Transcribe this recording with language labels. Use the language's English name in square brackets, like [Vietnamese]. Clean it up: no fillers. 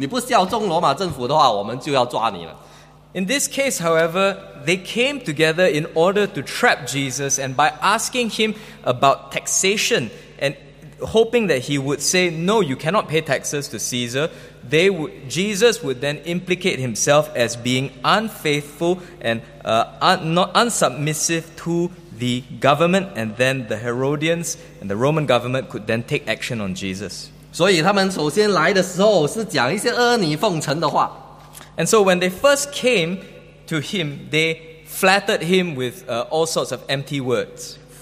[Chinese] 所以在这里，他们联盟在一起，来到为什么要这个法利赛人要这个希律党的人来？其实他们是要希望耶稣说不缴税、不纳税的话，这个希律党的人听了，哎呀，你不纳税就是你不效忠这个罗马政府，你不效忠罗马政府的话，我们就要抓你了。 [English] In this case, however, they came together in order to trap Jesus, and by asking him about taxation and hoping that he would say, "No, you cannot pay taxes to Caesar," Jesus would then implicate himself as being unfaithful and unsubmissive to the government, and then the Herodians and the Roman government could then take action on Jesus. [Chinese] 所以他们首先来的时候是讲一些阿谀奉承的话。 [English] And so when they first came to him, they flattered him with all sorts of empty words.